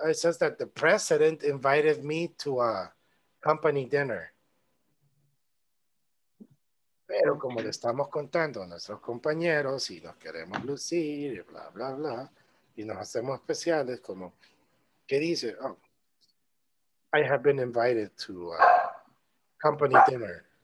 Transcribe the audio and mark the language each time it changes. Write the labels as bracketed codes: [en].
[en] It says that the president invited me to a company dinner. [es] Pero como le estamos contando a nuestros compañeros y nos queremos lucir y bla, bla, bla, y nos hacemos especiales, como, ¿qué dice? [en] Oh, I have been invited to a company dinner.